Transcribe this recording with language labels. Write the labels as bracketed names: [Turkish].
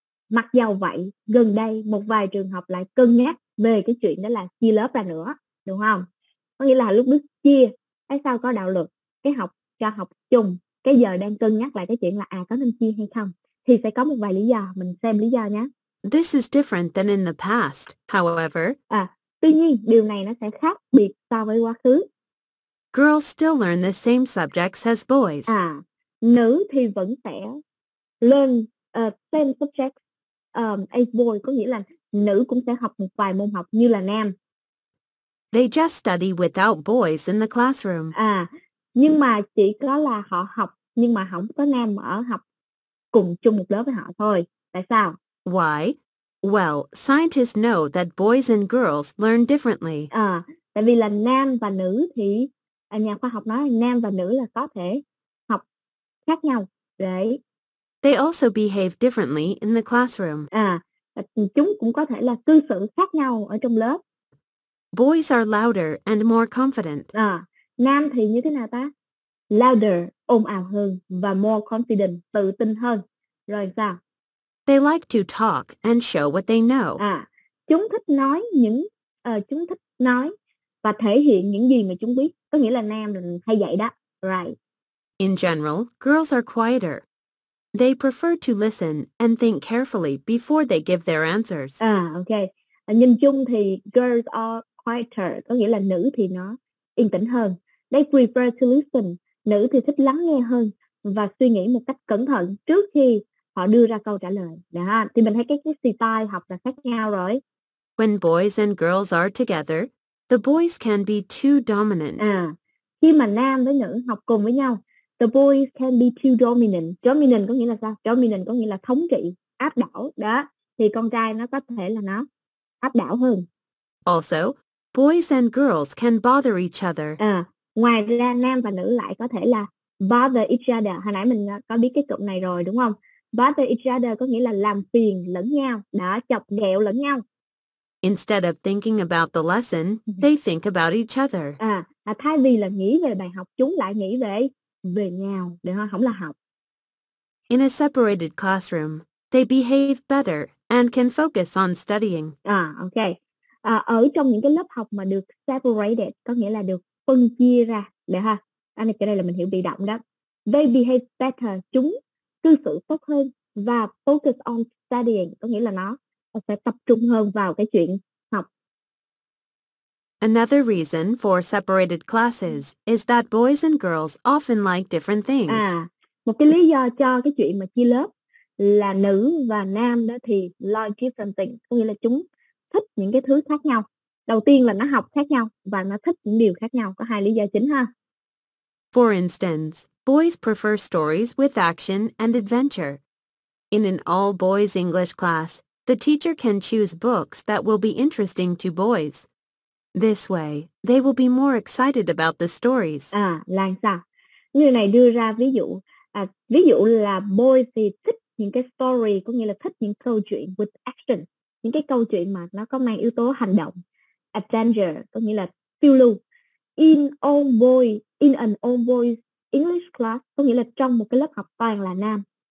[Vietnamese] Mặc dầu vậy, gần đây một vài trường học lại cân nhắc về cái chuyện đó là chia lớp ra nữa, đúng không? Có nghĩa là lúc trước chia, tại sao có đạo luật cái học cho học chung, cái giờ đang cân nhắc lại cái chuyện là à có nên chia hay không, thì sẽ có một vài lý do, mình xem lý do nhé. [English] This is different than in the past, however. [Vietnamese] À, tuy nhiên điều này nó sẽ khác biệt so với quá khứ. [English] Girls still learn the same subjects as boys. [Vietnamese] À, nữ thì vẫn sẽ [English] learn same subjects. [Vietnamese] A boy có nghĩa là nữ cũng sẽ học một vài môn học như là nam. [English] They just study without boys in the classroom. [Vietnamese] À, nhưng mà chỉ có là họ học nhưng mà không có nam ở học cùng chung một lớp với họ thôi. Tại sao? [English] Why? Well, scientists know that boys and girls learn differently. [Vietnamese] À, tại vì là nam và nữ thì nhà khoa học nói nam và nữ là có thể học khác nhau. Đấy. [English] They also behave differently in the classroom. [Vietnamese] À, chúng cũng có thể là cư xử khác nhau ở trong lớp. [English] Boys are louder and more confident. [Vietnamese] À, nam thì như thế nào ta? [English] Louder, [Vietnamese] ồn ào hơn và [English] more confident, [Vietnamese] tự tin hơn. Rồi sao? [English] They like to talk and show what they know. [Vietnamese] À, chúng thích nói những chúng thích nói và thể hiện những gì mà chúng biết, có nghĩa là nam hay vậy đó. [English] Right. In general, girls are quieter. They prefer to listen and think carefully before they give their answers. [Vietnamese] À, okay. Nhìn chung thì [English] girls are quieter, [Vietnamese] có nghĩa là nữ thì nó yên tĩnh hơn. [English] They prefer to listen. [Vietnamese] Nữ thì thích lắng nghe hơn và suy nghĩ một cách cẩn thận trước khi họ đưa ra câu trả lời. Đó. Thì mình thấy cái style học là khác nhau rồi. [English] When boys and girls are together, the boys can be too dominant. [Vietnamese] À, khi mà nam với nữ học cùng với nhau, [English] the boys can be too dominant. [Vietnamese] Dominant có nghĩa là sao? Dominant có nghĩa là thống trị, áp đảo. Đó. Thì con trai nó có thể là nó áp đảo hơn. [English] Also, boys and girls can bother each other. [Vietnamese] À, ngoài ra nam và nữ lại có thể là [English] bother each other. [Vietnamese] Hồi nãy mình có biết cái cụm này rồi đúng không? [English] Bother each other [Vietnamese] có nghĩa là làm phiền lẫn nhau. Đó, chọc ghẹo lẫn nhau. [English] Instead of thinking about the lesson, they think about each other. [Vietnamese] À, thay vì là nghĩ về bài học, chúng lại nghĩ về nhau, để không là học. [English] In a separated classroom, they behave better and can focus on studying. [Vietnamese] À, ok. À, ở trong những cái lớp học mà được separated, có nghĩa là được phân chia ra, để ha. Anh cái đây là mình hiểu bị động đó. [English] They behave better, [Vietnamese] chúng cư xử tốt hơn và [English] focus on studying, [Vietnamese] có nghĩa là nó sẽ tập trung hơn vào cái chuyện học. [English] Another reason for separated classes is that boys and girls often like different things. [Vietnamese] À, một cái lý do cho cái chuyện mà chia lớp là nữ và nam đó thì [English] like different things, [Vietnamese] có nghĩa là chúng thích những cái thứ khác nhau. Đầu tiên là nó học khác nhau và nó thích những điều khác nhau. Có hai lý do chính ha. [English] For instance, boys prefer stories with action and adventure. In an all-boys English class, the teacher can choose books that will be interesting to boys. This way, they will be more excited about the stories. [Vietnamese] À, là sao? Người này đưa ra ví dụ. À, ví dụ là boys thì thích những cái story, có nghĩa là thích những câu chuyện [English] with action. [Vietnamese] Những cái câu chuyện mà nó có mang yếu tố hành động. Adventure, có nghĩa là phiêu lưu. [English] In an all boys English class, [Vietnamese] có nghĩa là trong một cái lớp học toàn là nam.